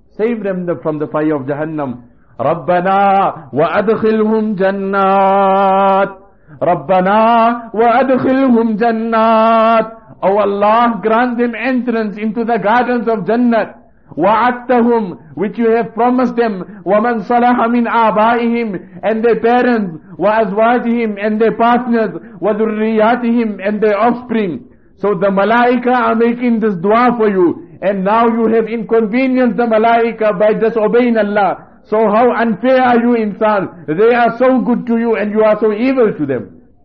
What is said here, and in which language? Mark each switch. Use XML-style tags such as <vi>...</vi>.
<en>Save them from the fire of Jahannam.</en> <ar>رَبَّنَا وَأَدْخِلْهُمْ جَنَّاتِ رَبَّنَا وَأَدْخِلْهُمْ جَنَّاتِ.</ar> <en>Oh Allah, grant them entrance into the gardens of Jannat.</en> <ar>وَعَدْتَهُمْ,</ar> <en>which you have promised them.</en> <ar>وَمَنْ صَلَحَ مِنْ آبَائِهِمْ,</ar> <en>and their parents.</en> <ar>وَأَزْوَاجِهِمْ,</ar> <en>and their partners.</en> <ar>وَذُرِّيَاتِهِمْ,</ar> <en>and their offspring. So the Malaika are making this dua for you, and now you have inconvenienced the Malaika by disobeying Allah. So how unfair are you, insan? They are so good to you and you are so evil to them.</en>